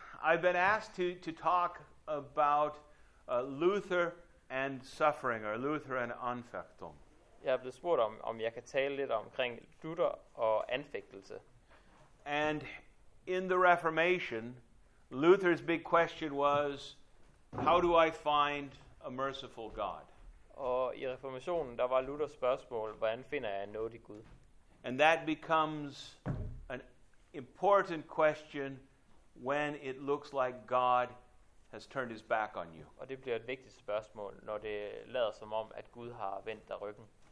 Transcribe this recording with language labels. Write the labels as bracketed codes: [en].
[en] I've been asked to talk about Luther and suffering, or Luther and anfechtung. [da] Jeg er blevet spurgt om jeg kan tale lidt omkring Luther og anfægtelse. [en] And in the Reformation, Luther's big question was, how do I find a merciful God? [da] Og i reformationen, der var Luthers spørgsmål, hvordan finder jeg en nådig Gud? [en] And that becomes an important question when it looks like God has turned his back on you. [da] Og det bliver et vigtigt spørgsmål, når det lader som om, at Gud har vendt dig ryggen.